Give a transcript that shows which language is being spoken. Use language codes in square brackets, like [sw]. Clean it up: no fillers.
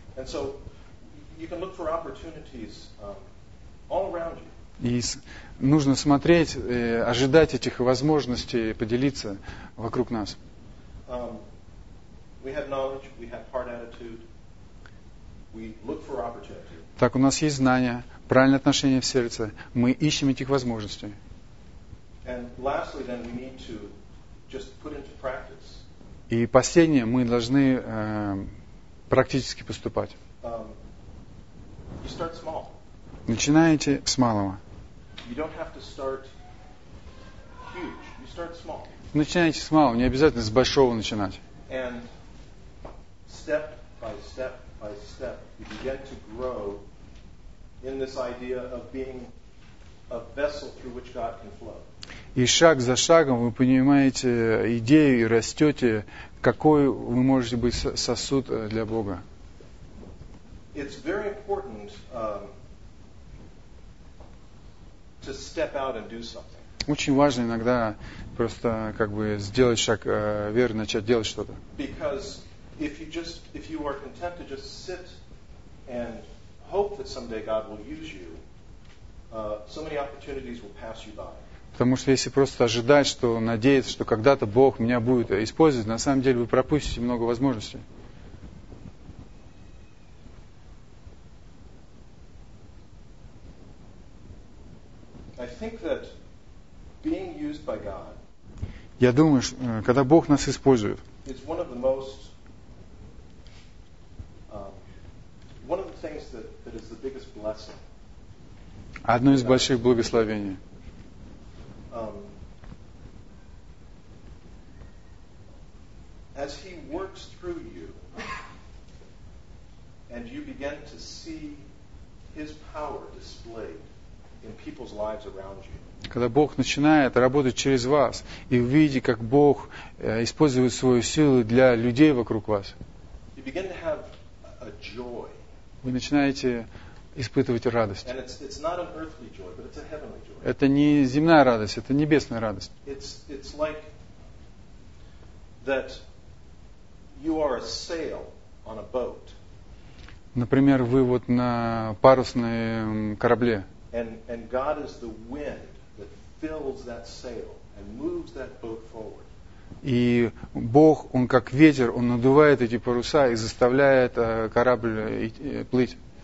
[en] And so, you can look for opportunities all around you. [ru] И нужно смотреть, ожидать этих возможностей, поделиться вокруг нас. [en] We have knowledge, we have hard attitude. We look for opportunities. [ru] Так, у нас есть знания, правильное отношение в сердце. Мы ищем этих возможностей. [en] And lastly, then, we need to just put into practice. [ru] И последнее, мы должны практически поступать. [en] You start small. [ru] Начинаете с малого. [en] You don't have to start huge. You start small. [ru] Начинаете с малого, не обязательно с большого начинать. [en] And step by step by step, you begin to grow in this idea of being a vessel through which God can flow. [ru] И шаг за шагом вы понимаете идею и растете, какой вы можете быть сосуд для Бога. [en] It's very important to step out and do something. [ru] Очень важно иногда просто как бы сделать шаг веры, начать делать что-то. [en] Because if you are content to just sit and hope that someday God will use you, so many opportunities will pass you by. [ru] Потому что если просто ожидать, что надеяться, что когда-то Бог меня будет использовать, на самом деле вы пропустите много возможностей. [en] I think that being used by God, [ru] я думаю, что, когда Бог нас использует, [en] it's one of the most, one of the things that is the biggest blessing. [ru] Одно из больших благословений. [en] As he works through you and you begin to see his power displayed in people's lives around you. [ru] Когда Бог начинает работать через вас, и вы видите, как Бог использует свою силу для людей вокруг вас, [en] you begin to have a joy. [ru] Вы начинаете испытывать радость. [en] And it's not an earthly joy, but it's a heavenly joy. [ru] Это не земная радость, это небесная радость. [en] It's like that you are a sail on a boat. [ru] Например, вы вот на парусном корабле. [en] And God is the wind that fills that sail and moves that boat forward. [ru] И Бог, Он как ветер, Он надувает эти паруса и заставляет корабль плыть.